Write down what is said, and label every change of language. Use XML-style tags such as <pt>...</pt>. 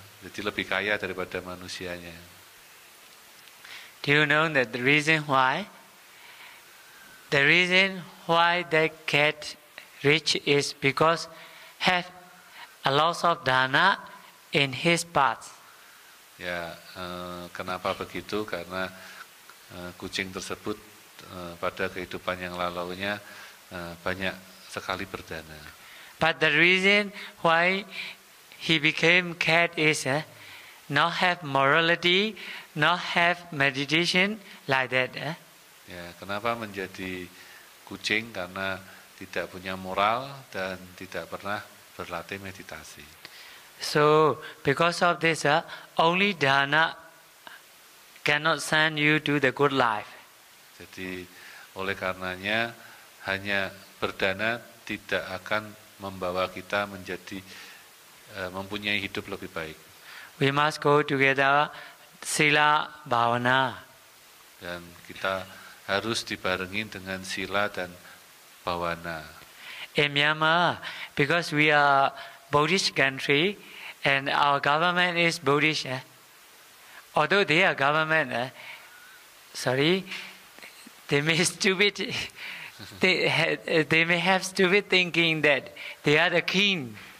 <id>Jadi lebih kaya daripada manusianya.</id> <en>Do you know that the reason why The reason why they get rich is because have a lot of dana in his path.</en> <id>Ya, kenapa begitu? Karena kucing tersebut pada kehidupan yang lalunya banyak sekali berdana.</id> <en>But the reason why he became cat is not have morality, not have meditation like that.</en> <id>Ya, kenapa menjadi kucing? Karena tidak punya moral dan tidak pernah berlatih meditasi.</id> <en>So, because of this, only dana cannot send you to the good life.</en> <id>Jadi, oleh karenanya, hanya berdana tidak akan membawa kita menjadi mempunyai hidup lebih baik.</id> <en>We must go together, sila bhavana.</en> <id>Dan kita harus dibarengi dengan sila dan bhavana.</id> <en>In Myanmar, because we are Buddhist country, and our government is Buddhist. Although they are government, they may have stupid thinking that they are the king.</en>